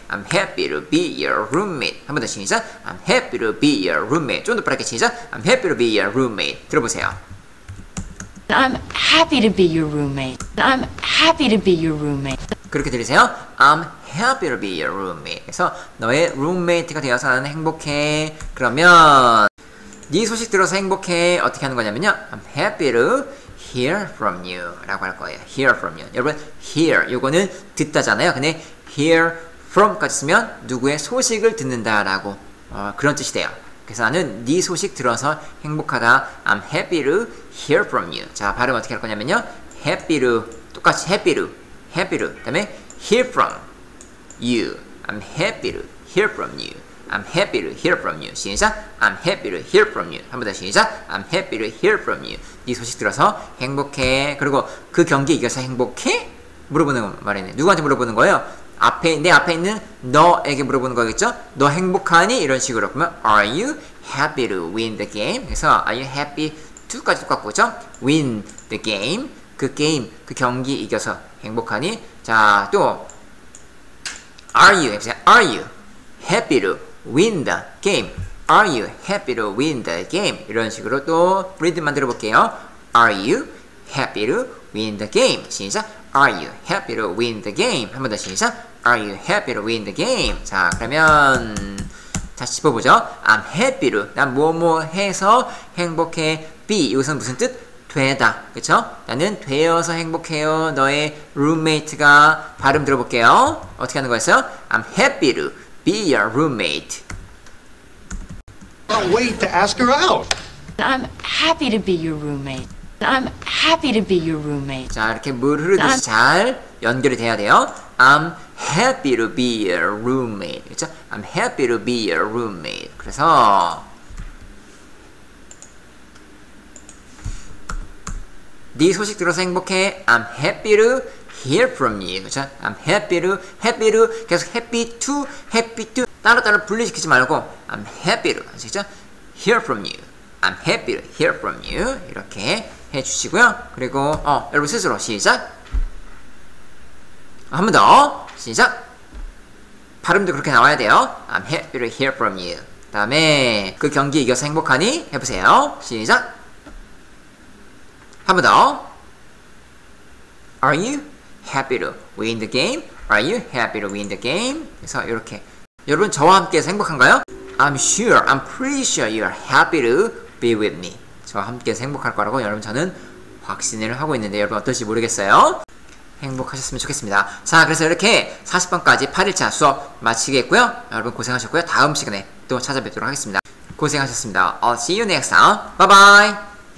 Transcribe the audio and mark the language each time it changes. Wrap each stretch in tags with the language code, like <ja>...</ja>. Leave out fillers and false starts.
<en>I'm happy to be your roommate.</en> <ko>한 번 더 시작.</ko> <en>I'm happy to be your roommate.</en> <ko>좀 더 빠르게 시작.</ko> <en>I'm happy to be your roommate.</en> <ko>들어보세요.</ko> <en>I'm happy to be your roommate. I'm happy to be your roommate.</en> <ko>그렇게 들으세요.</ko> <en>I'm happy to be your roommate.</en> <ko>그래서 너의 roommate가 되어서 나는 행복해. 그러면 네 소식 들어서 행복해. 어떻게 하는 거냐면요.</ko> <en>I'm happy to hear from you</en> <ko>라고 할 거예요.</ko> <en>hear from you.</en> <ko>여러분, hear 요거는 듣다잖아요. 근데 hear from 까지 쓰면 누구의 소식을 듣는다 라고 그런 뜻이 돼요. 그래서 나는 네 소식 들어서 행복하다.</ko> <en>I'm happy to hear from you.</en> <ko>자, 발음 어떻게 할 거냐면요.</ko> <en>happy to 똑같이 happy to happy to</en> <ko>그 다음에</ko> <en>hear from you. I'm happy to hear from you. I'm happy to hear from you.</en> <ko>시작.</ko> <en>I'm happy to hear from you.</en> <ko>한 번 더 시작.</ko> <en>I'm happy to hear from you.</en> <ko>네 소식 들어서 행복해. 그리고 그 경기 이겨서 행복해? 물어보는 말이네. 누구한테 물어보는 거예요? 앞에 내 앞에 있는 너에게 물어보는 거겠죠? 너 행복하니? 이런 식으로 그러면</ko> <en>Are you happy to win the game? 해서 Are you happy to</en> <ko>까지 똑같고죠?</ko> <en>Win the game</en> <ko>그 게임 그 경기 이겨서 행복하니? 자 또 Are you 해보세요.</ko> <en>Are you happy to win the game? Are you happy to win the game?</en> <ko>이런 식으로 또 브리드 만들어 볼게요.</ko> <en>Are you happy to win the game?</en> <ko>시작.</ko> <en>Are you happy to win the game?</en> <ko>한 번 더 시작.</ko> <en>Are you happy to win the game?</en> <ko>자, 그러면 다시 짚어보죠.</ko> <en>I'm happy to.</en> <ko>난 뭐뭐 해서 행복해. Be. 이것은 무슨 뜻? 되다. 그쵸? 나는 되어서 행복해요. 너의 roommate가 발음 들어볼게요. 어떻게 하는 거였어요?</ko> <en>I'm happy to be your roommate. Can't wait to ask her out. I'm happy to be your roommate. I'm happy to be your roommate.</en> <ko>자, 이렇게 물 흐르듯이 잘 연결이 돼야 돼요.</ko> <en>I'm happy to be your roommate.</en> <ko>그렇죠?</ko> <en>I'm happy to be your roommate.</en> <ko>그래서 네 소식 들어서 행복해.</ko> <en>I'm happy to hear from you.</en> <ko>그렇죠?</ko> <en>I'm happy to</en> <ko>계속 happy to 따로따로 분리시키지 말고 I'm happy to 아시겠죠?</ko> <en>hear from you. I'm happy to hear from you.</en> <ko>이렇게 해주시고요. 그리고 여러분 스스로 시작. 한 번 더 시작. 발음도 그렇게 나와야 돼요.</ko> <en>I'm happy to hear from you.</en> <ko>다음에 그 경기 이겨서 행복하니 해보세요. 시작. 한 번 더.</ko> <en>Are you happy to win the game? Are you happy to win the game?</en> <ko>그래서 이렇게 여러분 저와 함께 행복한가요?</ko> <en>I'm sure. I'm pretty sure you're happy to be with me.</en> <ko>저와 함께 행복할 거라고 여러분 저는 확신을 하고 있는데 여러분 어떨지 모르겠어요. 행복하셨으면 좋겠습니다. 자, 그래서 이렇게 40번까지 8일차 수업 마치겠고요. 여러분 고생하셨고요. 다음 시간에 또 찾아뵙도록 하겠습니다. 고생하셨습니다.</ko> <en>I'll see you next time. Bye bye.</en>